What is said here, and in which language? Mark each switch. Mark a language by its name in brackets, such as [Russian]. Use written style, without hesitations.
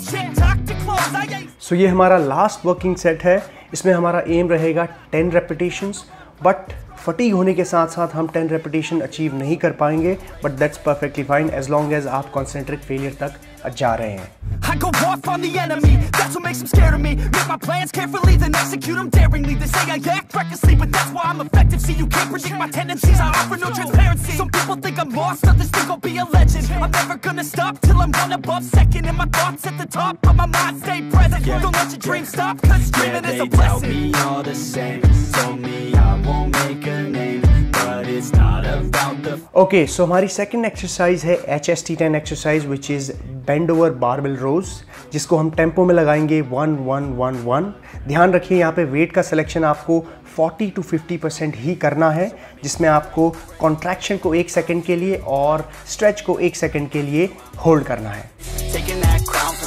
[Hindi] So ये हमारा last working set है. इसमें हमारा एम रहेगा 10 repetitions, बट फटीग होने के साथ साथ हम 10 repetition अचीव नहीं कर पाएंगे, [English] but that's perfectly fine as long as [Hindi] आप कॉन्सेंट्रेट फेलियर तक जा रहे हैं. [English] I go off on the enemy, that's what makes them scared of me. Make my plans carefully, then execute them daringly. They say I act recklessly, but that's why I'm effective. See, you can't predict my tendencies, I offer no transparency. Some people think I'm lost, others think I'll be a legend. I'm never gonna stop till I'm one above second. And my thoughts at the top of my mind stay present. Don't let your dreams stop, cause dreaming is a blessing. Yeah, they tell me all the same. Told me I won't make a name, but it's it's not about the Okay, so our second exercise is HST 10 exercise, which is bend over barbell rows, [Hindi] जिसको हम tempo में लगाएंगे [English] 1-1-1-1. [Hindi] ध्यान रखिए यहाँ पे wait का selection आपको 40-50% ही करना है, जिसमें आपको कॉन्ट्रैक्शन को एक सेकेंड के लिए और स्ट्रेच को एक सेकेंड के लिए होल्ड करना है.